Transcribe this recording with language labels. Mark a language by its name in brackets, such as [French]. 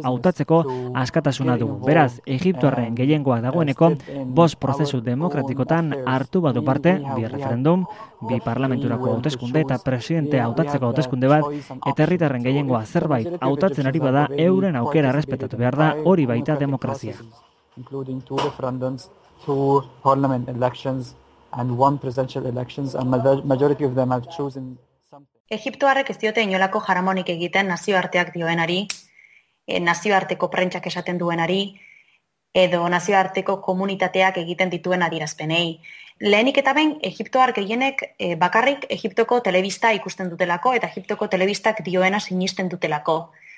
[Basque] Hautatzeko askatasuna dugu. Beraz, Egiptoarren gehiengoak dagoeneko, bost prozesu demokratikotan hartu badu parte, bi referendum, bi parlamenturako hauteskunde eta presidente hautatzeko hauteskunde bat, eta herritarren gehiengoa zerbait hautatzen ari bada euren aukera respetatu behar da, hori baita demokrazia. [English] Including two referendums, two parliament elections and one presidential elections, and majority of them have chosen something. [Basque] Egiptoarrek ez diote inolako jaramonik egiten nazioarteak dioenari, nazioarteko prentsak esaten duenari, edo nazioarteko komunitateak egiten dituen adierazpenei. Lehenik eta behin, Egiptoar gehienek bakarrik Egiptoko telebista ikusten dutelako eta Egiptoko telebistak dioena sinisten dutelako.